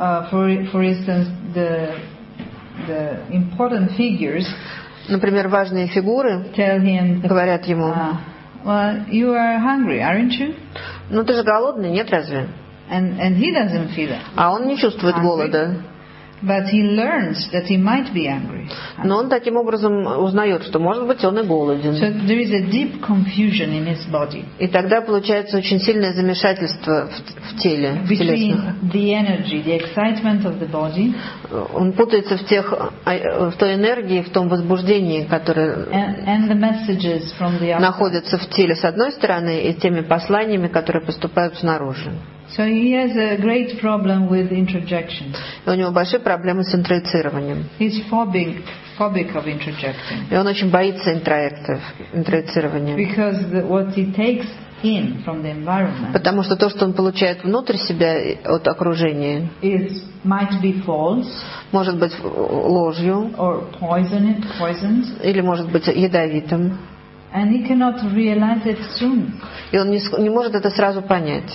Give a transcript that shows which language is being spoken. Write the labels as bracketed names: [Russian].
[English] For instance, the important figures. [Russian] Например, важные фигуры говорят ему: [English] well, you are hungry, aren't you? [Russian] Ну, ты же голодный, нет разве? [English] And he doesn't feel it. [Russian] А он не чувствует голода. [English] But he learns that he might be angry. [Russian] Но он таким образом узнает, что, может быть, он и голоден. [English] So there is a deep confusion in his body. [Russian] И тогда получается очень сильное замешательство в теле. [English] Between the energy, the excitement of the body. [Russian] Он путается в той энергии, в том возбуждении, которое [English] and the messages from the outside. [Russian] Находится в теле с одной стороны и теми посланиями, которые поступают снаружи. [English] So he has a great problem with interjection. [Russian] У него большие проблемы с интроецированием. [English] He's phobic of interjecting. [Russian] И он очень боится интроецирования. [English] Because what he takes in from the environment. [Russian] Потому что то, что он получает внутрь себя от окружения, [English] might be false. [Russian] Может быть ложью. [English] Or poisoned. [Russian] Или может быть ядовитым. [English] And he cannot realize it soon. [Russian] И он не может это сразу понять.